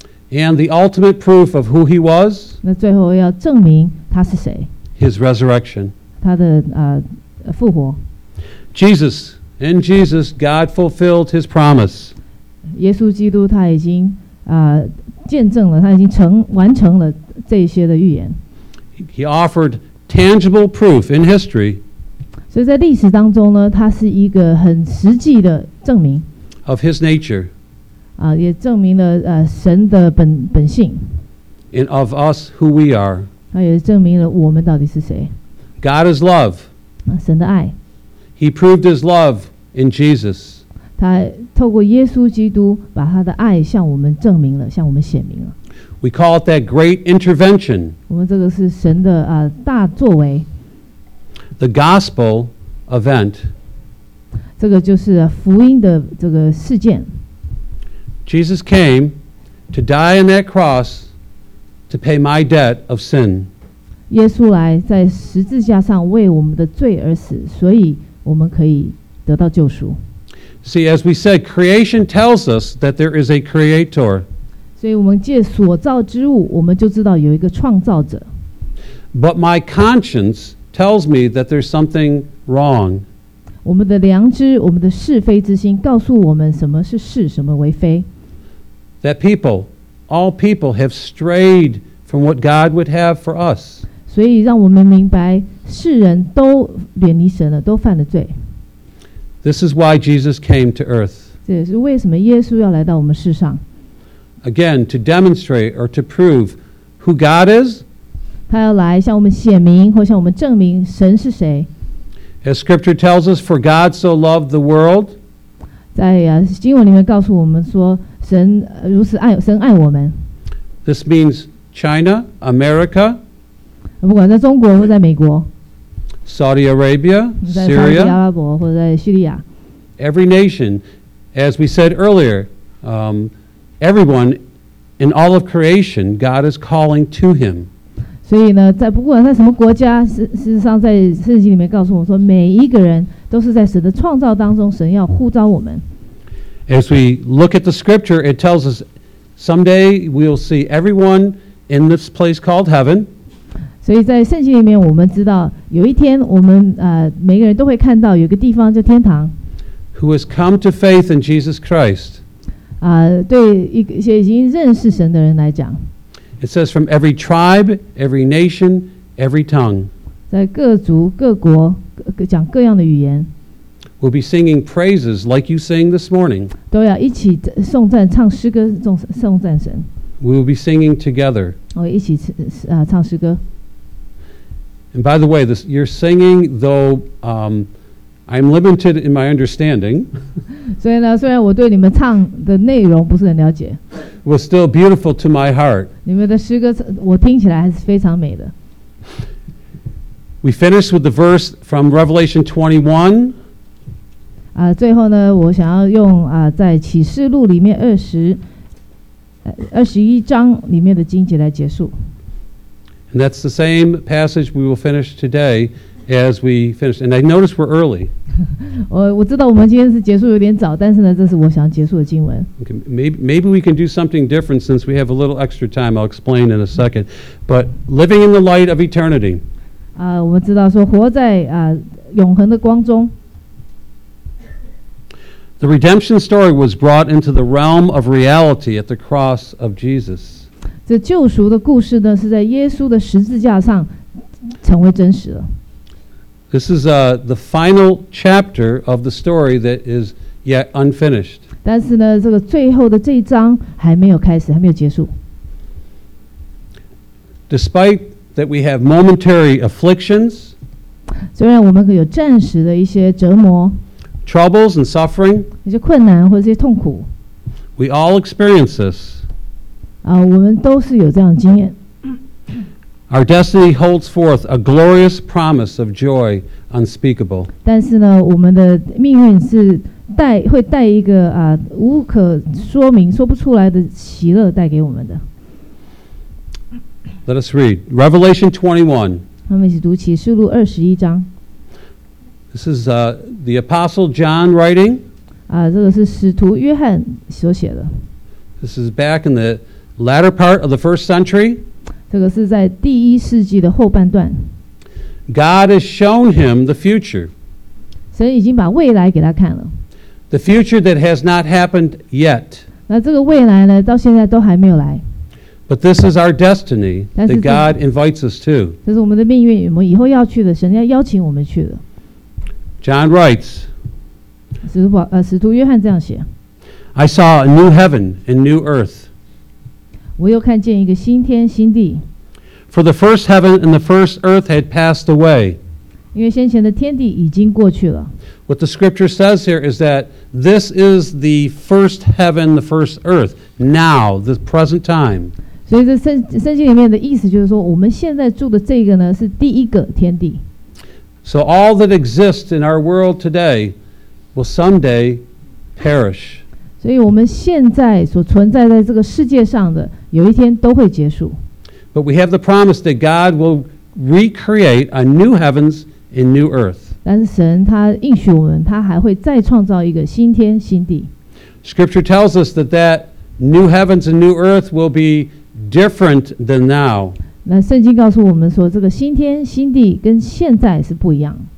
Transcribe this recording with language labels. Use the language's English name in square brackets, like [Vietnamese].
[English] And the ultimate proof of who he was? [Chinese] 那最后要证明他是谁? [English] His resurrection. [Chinese] 他的复活。 [English] Jesus, in Jesus, God fulfilled his promise. [Chinese] 耶稣基督他已经见证了，他已经完成了这些的预言。 [English] He offered tangible proof in history. [Chinese] 所以在历史当中呢，它是一个很实际的证明 [English] of his nature， [Chinese] 也证明了神的本性 [English] and of us who we are， [Chinese] 它也证明了我们到底是谁。 [English] God is love， [Chinese] 神的爱。 [English] He proved his love in Jesus， [Chinese] 他透过耶稣基督把他的爱向我们证明了，向我们显明了。 [English] We call it that great intervention， [Chinese] 我们这个是神的大作为。 [English] The gospel event. [Chinese] 这个就是福音的这个事件。 [English] Jesus came to die on that cross to pay my debt of sin. [Chinese] 耶稣来在十字架上为我们的罪而死，所以我们可以得到救赎。 [English] See, as we said, creation tells us that there is a creator. [Chinese] 所以我们借所造之物，我们就知道有一个创造者。 [English] But my conscience. Tells me that there's something wrong. [Chinese] 我们的良知，我们的是非之心，告诉我们什么是是，什么为非。 [English] That people, all people, have strayed from what God would have for us. [Chinese] 所以让我们明白，世人都远离神了，都犯了罪。 [English] This is why Jesus came to earth. [Chinese] 这也是为什么耶稣要来到我们世上。 [English] Again, to demonstrate or to prove who God is. [Chinese] 他要来向我们显明或向我们证明神是谁。 [English] As scripture tells us, for God so loved the world. [Chinese] 在经文里面告诉我们说神如此爱，神爱我们。 [English] This means China, America. [Chinese] 不管在中国或在美国。 [English] Saudi Arabia, Syria. [Chinese] 在沙特阿拉伯或在叙利亚。 [English] Every nation, as we said earlier, everyone in all of creation, God is calling to him. [Chinese] 所以呢，在不管在什么国家，事实上在圣经里面告诉我们说，每一个人都是在神的创造当中，神要呼召我们。 [English] As we look at the scripture, it tells us someday we'll see everyone in this place called heaven. [Chinese] 所以在圣经里面，我们知道有一天我们每个人都会看到有个地方叫天堂。 [English] Who has come to faith in Jesus Christ? [Chinese] 对一些已经认识神的人来讲。 [English] It says from every tribe, every nation, every tongue. [Chinese] 在各族各国讲各样的语言。 [English] We'll be singing praises like you sang this morning. [Chinese] 都要一起颂赞唱诗歌颂赞神。 [English] We'll be singing together. [Chinese] 我一起唱诗歌。 [English] And by the way, this, you're singing though I'm limited in my understanding. [Chinese] 所以呢，虽然我对你们唱的内容不是很了解。 [English] Was still beautiful to my heart. [Chinese] 你们的诗歌我听起来还是非常美的。 [English] We finished with the verse from Revelation 21. [Chinese] 最后呢，我想要用在启示录里面21章里面的经节来结束。 [English] And that's the same passage we will finish today as we finish. And I notice we're early. [Chinese] 我知道我们今天是结束有点早，但是呢，这是我想结束的经文。 [English] Okay, maybe we can do something different since we have a little extra time. I'll explain in a second. But living in the light of eternity. [Chinese] 我们知道说活在永恒的光中。 [English] The redemption story was brought into the realm of reality at the cross of Jesus. [Chinese] 这救赎的故事呢，是在耶稣的十字架上成为真实了。 [English] This is the final chapter of the story that is yet unfinished. [Chinese] 但是呢，这个最后的这一章还没有开始，还没有结束。 [English] Despite that we have momentary afflictions, [Chinese] 虽然我们有暂时的一些折磨。 [English] Troubles and suffering. [Chinese] 一些困难或者一些痛苦。 [English] We all experience this. [Chinese] 我们都是有这样的经验。 [English] Our destiny holds forth a glorious promise of joy unspeakable. [Chinese] 但是呢，我们的命运是会带一个无可说明、说不出来的喜乐带给我们的。 [English] Let us read Revelation 21. [Chinese] 我们一起读启示录二十一章。 [English] This is the Apostle John writing. [Chinese] 这个是使徒约翰所写的。 [English] This is back in the latter part of the first century. [Chinese] 这个是在第一世纪的后半段。 [English] God has shown him the future. [Chinese] 神已经把未来给他看了。 [English] The future that has not happened yet. [Chinese] 那这个未来呢，到现在都还没有来。 [English] But this is our destiny that God invites us to. [Chinese] 这是我们的命运，我们以后要去的，神要邀请我们去的。 [English] John writes, [Chinese] 使徒约翰这样写， [English] I saw a new heaven and new earth. [Chinese] 我又看见一个新天新地。 [English] For the first heaven and the first earth had passed away. [Chinese] 因为先前的天地已经过去了。 [English] What the scripture says here is that this is the first heaven, the first earth, now, the present time. [Chinese] 所以这圣经里面的意思就是说，我们现在住的这个呢，是第一个天地。 [English] So all that exists in our world today will someday perish. [Chinese] 所以我们现在所存在在这个世界上的，有一天都会结束。 [English] But we have the promise that God will recreate a new heavens and new earth. [Chinese] 但是神他应许我们，他还会再创造一个新天新地。 [English] Scripture tells us that that new heavens and new earth will be different than now. [Chinese] 那圣经告诉我们说，这个新天新地跟现在是不一样。